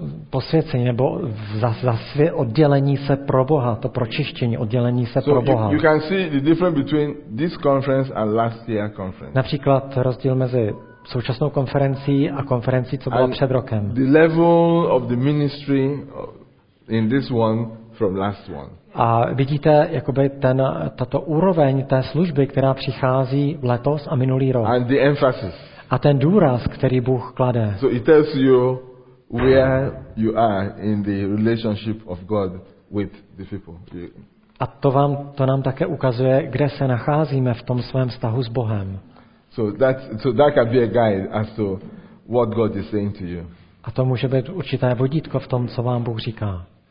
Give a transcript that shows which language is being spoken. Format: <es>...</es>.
<cs>Posvěcení nebo oddělení se pro Boha, to pročištění, oddělení se</cs> <en>so</en> <cs>pro Boha.</cs> <en>You can see the difference between this conference and last year conference.</en> <cs>Například rozdíl mezi současnou konferencí a konferencí, co byla</cs> <en>and</en> <cs>před rokem.</cs> <en>The level of the ministry in this one from last one.</en> <cs>A vidíte jakoby tato úroveň té služby, která přichází letos a minulý rok.</cs> <en>And the emphasis.</en> <cs>A ten důraz, který Bůh klade.</cs> <en>So it tells you where you are in the relationship of God with the people.</en> <cs>A to vám, to nám také ukazuje, kde se nacházíme v tom svém vztahu s Bohem.</cs> <en>So that can be a guide as to what God is saying to you.</en> <cs>A to může být určité vodítko v tom, co vám Bůh říká.</cs>